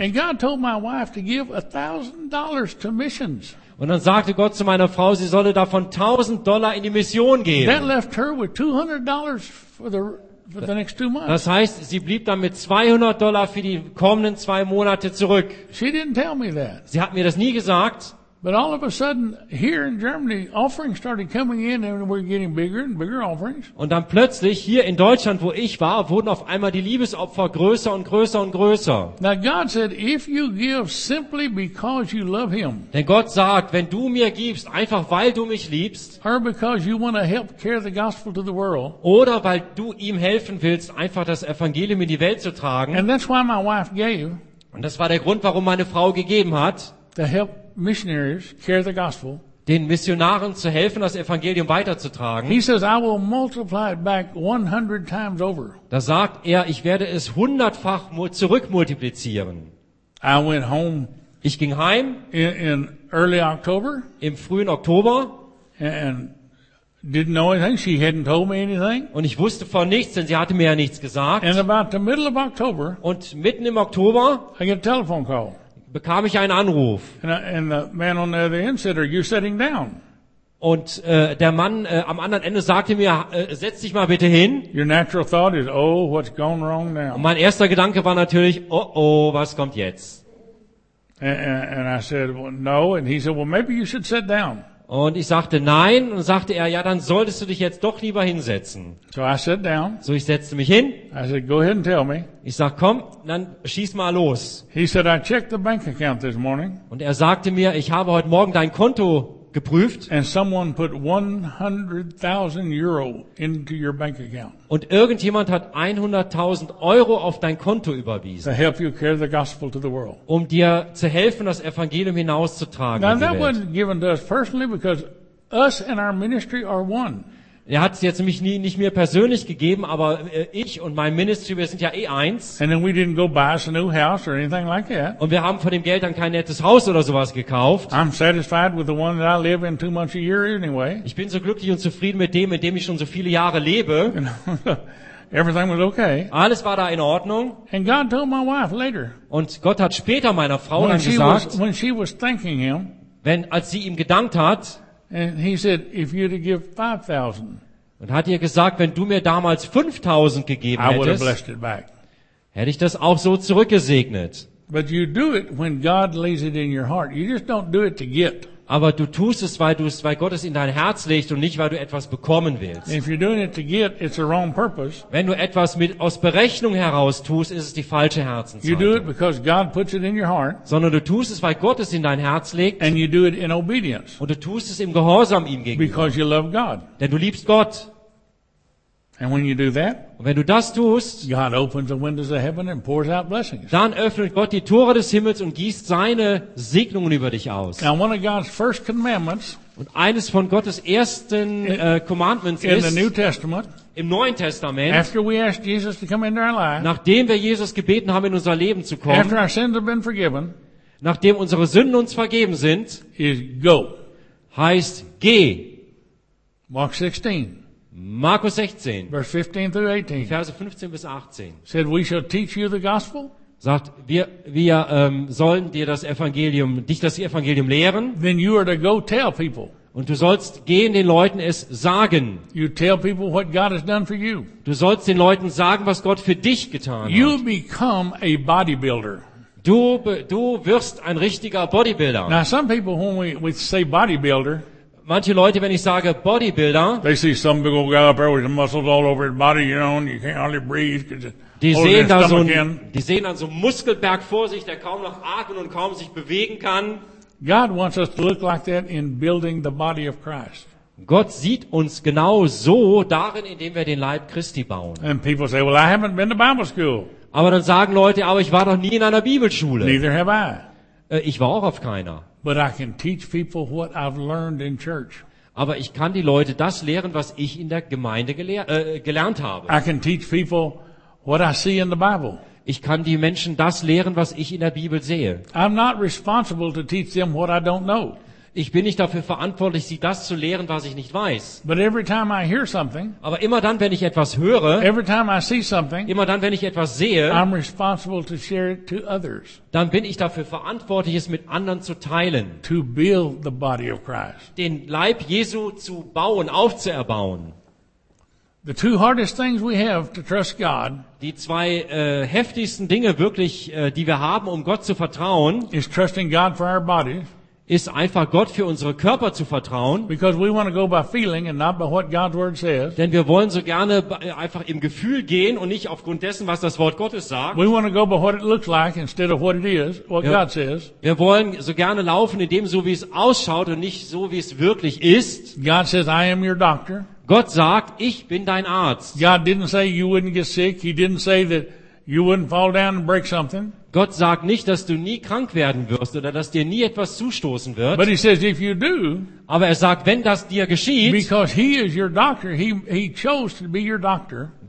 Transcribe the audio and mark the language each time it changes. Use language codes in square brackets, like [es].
[en] And God told my wife to give $1,000 to missions. [de] Und dann sagte Gott zu meiner Frau, sie solle davon $1,000 in die Mission geben. [en] That left her with $200 for the next 2 months. [de] Das heißt, sie blieb dann mit $200 für die kommenden 2 Monate zurück. [en] She didn't tell me that. [de] Sie hat mir das nie gesagt. [en] But all of a sudden, here in Germany, offerings started coming in, and we're getting bigger and bigger offerings. [de] Und dann plötzlich hier in Deutschland, wo ich war, wurden auf einmal die Liebesopfer größer und größer und größer. [en] Now God said, if you give simply because you love Him. [de] Denn Gott sagt, wenn du mir gibst, einfach weil du mich liebst. [en] Or because you want to help carry the gospel to the world. [de] Oder weil du ihm helfen willst, einfach das Evangelium in die Welt zu tragen. [en] And that's why my wife gave. [de] Und das war der Grund, warum meine Frau gegeben hat. [en] To help missionaries carry the gospel. [de] Den Missionaren zu helfen, das Evangelium weiterzutragen. [en] He says, I will multiply it back 100 times over. [de] Da sagt er, ich werde es 100-fach zurückmultiplizieren. [en] I went home. [de] Ich ging heim. [en] In early October. [de] Im frühen Oktober. [en] And didn't know anything. She hadn't told me anything. [de] Und ich wusste von nichts, denn sie hatte mir ja nichts gesagt. [en] And about the middle of October. [de] Und mitten im Oktober. [en] I get a telephone call. [de] Bekam ich einen Anruf. [en] And the man on the other end said, are you sitting down? [de] Und der Mann am anderen Ende sagte mir, setz dich mal bitte hin. [en] Your natural thought is, oh, what's gone wrong now? [de] Und mein erster Gedanke war natürlich, oh, was kommt jetzt? [en] And I said, well, no. And he said, well, maybe you should sit down. [de] Und ich sagte nein. Und sagte er, ja, dann solltest du dich jetzt doch lieber hinsetzen. [en] So I sat down. [de] So ich setzte mich hin. [en] I said, go ahead and tell me. [de] Ich sag, komm, dann schieß mal los. [en] He said, I checked the bank account this morning. [de] Und er sagte mir, ich habe heute Morgen dein Konto geprüft. [en] And someone put 100,000 euro into your bank account. [de] Und irgendjemand hat 100.000 Euro auf dein Konto überwiesen. [en] To help you carry the gospel to the world. [de] Um dir zu helfen, das Evangelium hinauszutragen. [en] Now that wasn't given to us personally because us and our ministry are one. [de] Er hat es jetzt nämlich nicht mir persönlich gegeben, aber ich und mein Ministry, wir sind ja eh eins. [en] And then we didn't go buy us a new house or anything like that. [de] Und wir haben von dem Geld dann kein nettes Haus oder sowas gekauft. [en] I'm satisfied with the one that I live in 2 months a year anyway. [de] Ich bin so glücklich und zufrieden mit dem, in dem ich schon so viele Jahre lebe. [en] Everything was okay. [de] Alles war da in Ordnung. [en] And God told my wife later. [de] Und Gott hat später meiner Frau [en] when [de] dann [en] she [de] gesagt, [en] was, when she was thanking him, [de] wenn als sie ihm gedankt hat. [en] And he said, if you'd have given 5,000. [de] Und hat ihr gesagt, wenn du mir damals 5,000 gegeben hättest, [en] I would have blessed it back. [de] Hätte ich das auch so zurückgesegnet. [en] But you do it when God lays it in your heart. You just don't do it to get. [de] Aber du tust es, weil Gott es in dein Herz legt und nicht, weil du etwas bekommen willst. [en] If you're doing it to get, it's a wrong purpose. [de] Wenn du etwas aus Berechnung heraus tust, ist es die falsche Herzenshaltung. [en] You do it because God puts it in your heart. [de] Sondern du tust es, weil Gott es in dein Herz legt. [en] And you do it in obedience. [de] Und du tust es im Gehorsam ihm gegenüber. [en] Because you love God. [de] Denn du liebst Gott. [en] And when you do that, [de] und wenn du das tust, [en] God opens the windows of heaven and pours out blessings. [de] Dann öffnet Gott die Tore des Himmels und gießt seine Segnungen über dich aus. [en] Now one of God's first commandments, [de] und eines von Gottes ersten commandments [en] in [de] ist, [en] the New Testament, [de] im Neuen Testament, [en] after we asked Jesus to come into our life, [de] nachdem wir Jesus gebeten haben, in unser Leben zu kommen, [en] after our sins have been forgiven, [de] nachdem unsere Sünden uns vergeben sind, [en] is go. [de] Heißt, geh. [en] Mark 16. [de] Markus 16, [en] Vers 15 through 18. [de] Verse 15 bis 18. [en] Said we shall teach you the gospel. [de] Sagt wir sollen dir das Evangelium, dich das Evangelium lehren. [en] Then you are to go tell people. [de] Und du sollst gehen den Leuten es sagen. [en] You tell people what God has done for you. [de] Du sollst den Leuten sagen, was Gott für dich getan [en] you [de] hat. [en] You become a bodybuilder. [de] Du wirst ein richtiger Bodybuilder. [en] Now some people when we say bodybuilder. [de] Manche Leute, wenn ich sage Bodybuilder, [en] they see some big old guy up there with the muscles all over his body, you know, and you can't hardly breathe because it's holding his stomach in. [de] Die sehen dann so einen Muskelberg vor sich, der kaum noch atmen und kaum sich bewegen kann. [en] God wants us to look like that in building the body of Christ. [de] Gott sieht uns genau so darin, indem wir den Leib Christi bauen. [en] And people say, well, I haven't been to Bible school. [de] Aber dann sagen Leute, aber ich war noch nie in einer Bibelschule. [en] Neither have I. [de] Ich war auch auf keiner. [en] But I can teach people what I've learned in church. [de] Aber ich kann die Leute das lehren, was ich in der Gemeinde gelernt habe. [en] I can teach people what I see in the Bible. [de] Ich kann die Menschen das lehren, was ich in der Bibel sehe. [en] I'm not responsible to teach them what I don't know. [de] Ich bin nicht dafür verantwortlich, sie das zu lehren, was ich nicht weiß. [en] But every time I hear something, [de] aber immer dann, wenn ich etwas höre, [en] every time I see something, [de] immer dann, wenn ich etwas sehe, [en] I'm responsible to share it to others. [de] Dann bin ich dafür verantwortlich, es mit anderen zu teilen. [en] To build the body of Christ. [de] Den Leib Jesu zu bauen, aufzuerbauen. [en] The two hardest things we have to trust God. [de] Die zwei heftigsten Dinge wirklich, die wir haben, um Gott zu vertrauen, [en] is trusting God for our bodies. [de] ist einfach Gott für unsere Körper zu vertrauen. [en] Because we want to go by feeling and not by what God's word says. [de] Denn wir wollen so gerne einfach im Gefühl gehen und nicht aufgrund dessen, was das Wort Gottes sagt. [en] We want to go by what it looks like instead of what it is, what God says. [de] Wir wollen so gerne laufen in dem, so wie es ausschaut und nicht so, wie es wirklich ist. [en] God says, I am your doctor. [de] Gott sagt, ich bin dein Arzt. [en] God didn't say you wouldn't get sick. He didn't say that you wouldn't fall down and break something. [de] Gott sagt nicht, dass du nie krank werden wirst oder dass dir nie etwas zustoßen wird. [en] But he says, if you do, [de] aber er sagt, wenn das dir geschieht, [en] because he is your doctor, he chose to be your doctor.